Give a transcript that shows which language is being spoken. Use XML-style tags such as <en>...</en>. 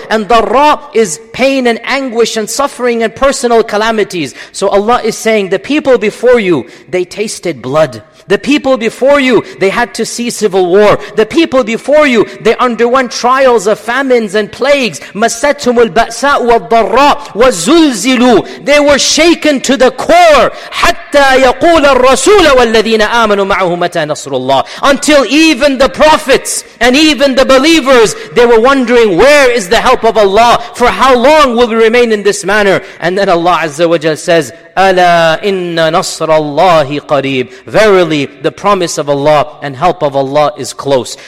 <en>And darra is pain and anguish and suffering and personal calamities. So Allah is saying, the people before you, they tasted blood. The people before you, they had to see civil war. The people before you, they underwent trials of famines and plagues.</en> <ar>مستهم البأساء والضراء وزلزلوا.</ar> <en>They were shaken to the core.</en> <ar>حتى يقول الرسول والذين آمنوا معه متى نصر الله.</ar> <en>Until even the prophets and even the believers, they were wondering, where is the help of Allah? For how long will we remain in this manner? And then Allah Azza wa Jal says, أَلَا إِنَّ نَصْرَ اللَّهِ قَرِيبٌ. Verily, the promise of Allah and help of Allah is close.</en>